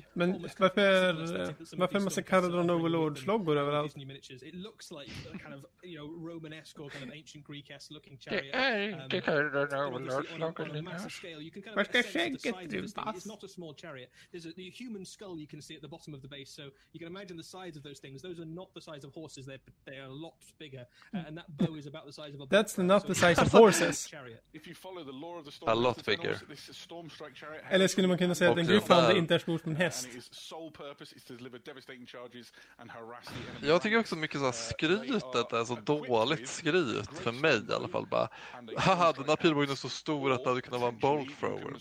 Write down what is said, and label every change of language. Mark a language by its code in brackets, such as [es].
[sv] Men varför måste Caradon Overlords loggor överallt? [en] It looks like a kind of, you know, Romanesque or kind of ancient Greek-esque looking chariot. It's not a small chariot. There's a human skull you can see at the bottom of the base, so you can imagine the size of those things. Those are not the size of horses. They're a lot bigger. And that bow is about the size of a... That's not the size of horses. If you follow the lore of the storm... A lot bigger. [sv] Eller skulle man kunna säga att en Gryffindor inte är stort som en häst? [en] And his sole purpose is to deliver devastating charges and harass the enemy. [sv] Jag tycker också mycket så här skrytet är så dåligt skryt för mig i alla fall. Bara, haha, den här pilbågen är så stor att den hade kunnat vara en bolt thrower.